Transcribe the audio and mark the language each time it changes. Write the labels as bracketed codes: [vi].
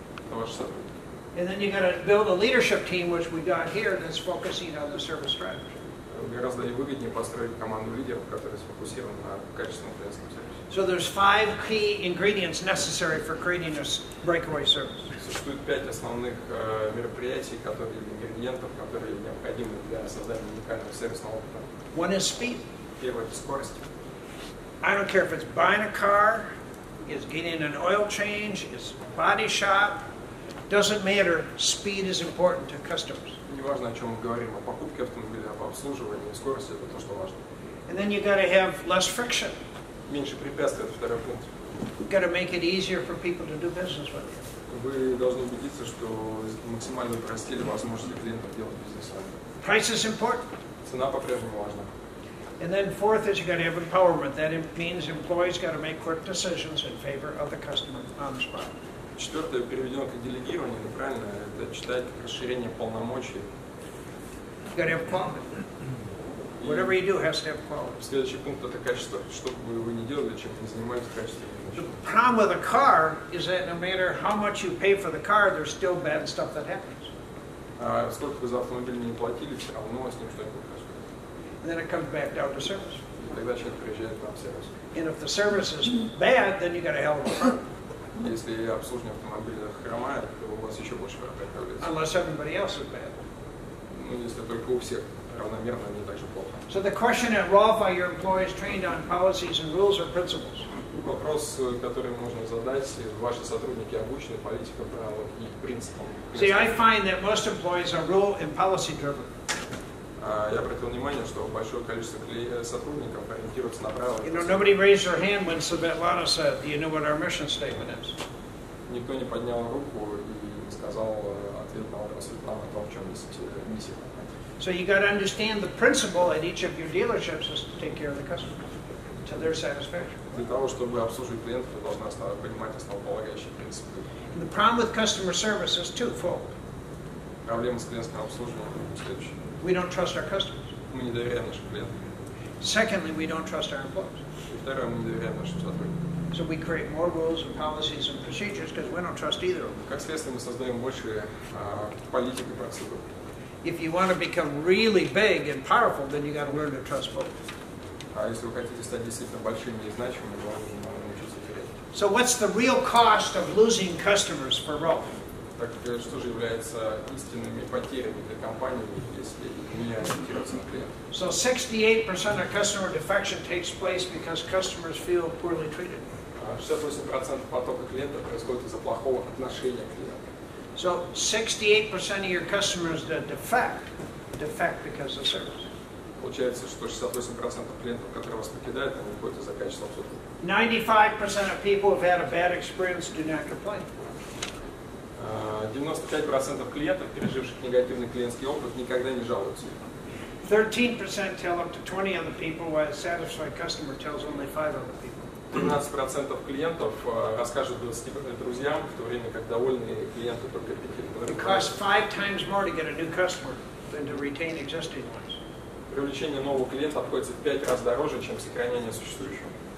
[ru] Это ваши сотрудники. [en] And then you got to build a leadership team, which we got here, that's focusing on the service strategy. [ru] Гораздо выгоднее построить команду лидеров, которые сфокусированы на качественном клиентском сервисе. [en] So there's five key ingredients necessary for creating a breakaway service. [ru] Существует пять основных мероприятий, которые ингредиентов, которые необходимы для создания уникального сервисного опыта. [en] One is speed. [ru] Первое — это скорость. [en] I don't care if it's buying a car, it's getting an oil change, it's body shop. Doesn't matter. Speed is important to customers. [ru] Неважно, о чем мы говорим, о покупке автомобиля, об обслуживании, скорость — это то, что важно. [en] And then you got to have less friction. [ru] Меньше препятствий — это второй пункт. [en] You got to make it easier for people to do business with you. [ru] Вы должны убедиться, что максимально упростили возможности клиентов делать бизнес с вами. [en] Price is important. [ru] Цена по-прежнему важна. [en] And then fourth is you got to have empowerment. That means employees got to make quick decisions in favor of the customer on the spot. [ru] Четвертое, переведено как делегирование, но правильно это читать как расширение полномочий. [en] You've got to have quality. Whatever you do has to have quality. [ru] Следующий пункт — это качество. Что бы вы ни делали, чем бы ни занимались, качество. [en] The problem with a car is that no matter how much you pay for the car, there's still bad stuff that happens. [ru] Сколько бы за автомобиль не платили, все равно с ним что-нибудь происходит. [en] And then it comes back down to service. [ru] И тогда человек приезжает к вам в сервис. [en] And if the service is bad, then you've got to have a problem. [ru] Если обслуживание автомобиля хромает, то у вас еще больше проблем появляется. [en] Unless everybody else is bad. [ru] Ну, если только у всех равномерно, они так же плохо. [en] So the question at Rolf, are your employees trained on policies and rules or principles? [ru] Вопрос, который можно задать, ваши сотрудники обучены политикам, правилам и принципам. [en] See, I find that most employees are rule and policy driven. [ru] Я обратил внимание, что большое количество сотрудников ориентируется на правила. [en] You know, nobody raised their hand when Svetlana said, "Do you know what our mission statement is?" [ru] Никто не поднял руку и не сказал ответ на вопрос Светланы о том, в чем миссия. [en] So you got to understand the principle at each of your dealerships is to take care of the customer to their satisfaction. [ru] Для того, чтобы обслуживать клиентов, вы должны понимать основополагающие принципы. [en] And the problem with customer service is twofold. [ru] Проблема с клиентским обслуживанием следующая. [en] We don't trust our customers. [ru] Мы не доверяем нашим клиентам. [en] Secondly, we don't trust our employees. [ru] И второе, мы не доверяем нашим сотрудникам. [en] So we create more rules and policies and procedures because we don't trust either of them. [ru] Как следствие, мы создаем больше политик и процедур. [en] If you want to become really big and powerful, then you got to learn to trust both. [ru] А если вы хотите стать действительно большим и значимым, вам нужно научиться доверять. [en] So what's the real cost of losing customers for Rolf? [ru] Так что же является истинными потерями для компании, если не ориентироваться на клиента? [en] So 68% of customer defection takes place because customers feel poorly treated. [ru] 68% потока клиентов происходит из-за плохого отношения к клиенту. [en] So 68% of your customers that defect because of service. [ru] Получается, что 68% клиентов, которые вас покидают, они уходят из-за качества обслуживания. [en] 95% of people who have had a bad experience do not complain. [ru] 95% клиентов, переживших негативный клиентский опыт, никогда не жалуются. [en] 13% tell up to 20 other people, while a satisfied customer tells only 5 other people. [ru] 13% клиентов расскажут 20 друзьям, в то время как довольные клиенты только 5. [en] It costs 5 times more to get a new customer than to retain existing ones. [ru] Привлечение нового клиента обходится в 5 раз дороже, чем сохранение существующего.